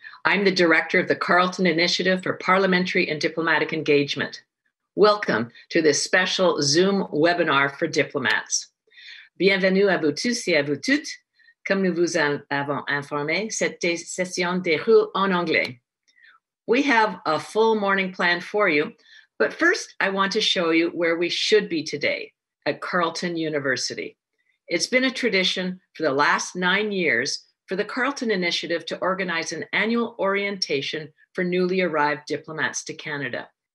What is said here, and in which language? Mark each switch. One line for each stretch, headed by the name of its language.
English: I'm the director of the Carleton Initiative for Parliamentary and Diplomatic Engagement. Welcome to this special Zoom webinar for diplomats.
French: Bienvenue à vous tous et à vous toutes. Comme nous vous avons informé, cette session déroule en anglais.
English: We have a full morning plan for you, but first I want to show you where we should be today, at Carleton University. It's been a tradition for the last 9 years for the Carleton Initiative to organize an annual orientation for newly arrived diplomats to Canada.